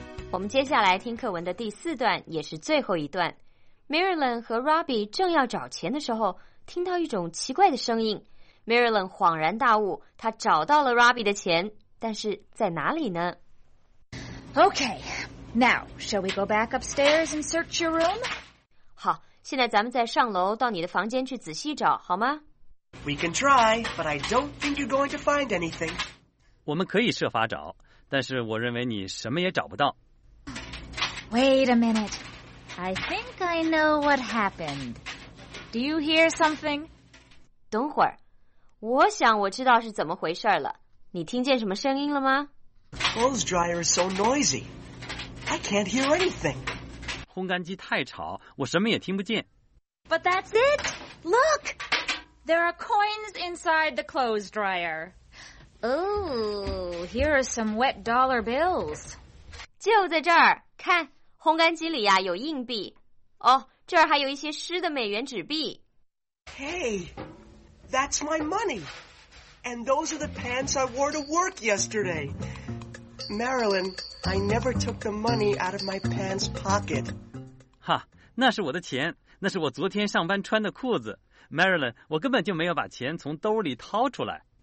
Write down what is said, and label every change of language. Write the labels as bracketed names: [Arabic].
[Chinese] 我们接下来听课文的第四段，也是最后一段。 Marilyn 和 Robbie 正要找钱的时候，听到一种奇怪的声音。 Marilyn 恍然大悟，她找到了 Robbie 的钱，但是在哪里呢？ [English] Okay, now, shall we go back upstairs and search your room? [Chinese] 好，现在咱们再上楼到你的房间去仔细找，好吗？ [English] We can try, but I don't think you're going to find anything. [Chinese] 我们可以设法找，但是我认为你什么也找不到。 [English] Wait a minute. I think I know what happened. Do you hear something? [Chinese] 等会儿，我想我知道是怎么回事了。你听见什么声音了吗？ [English] Clothes dryer is so noisy. I can't hear anything. [Chinese] 烘干机太吵，我什么也听不见。 [English] But that's it. Look! There are coins inside the clothes dryer. Oh, here are some wet dollar bills. [Chinese] 就在这儿，看烘干机里呀，有硬币。哦，这儿还有一些湿的美元纸币。 [English] Hey, that's my money. And those are the pants I wore to work yesterday. Marilyn, I never took the money out of my pants pocket. [Chinese] 哈，那是我的钱，那是我昨天上班穿的裤子。 Marilyn, 我根本就没有把钱从兜里掏出来。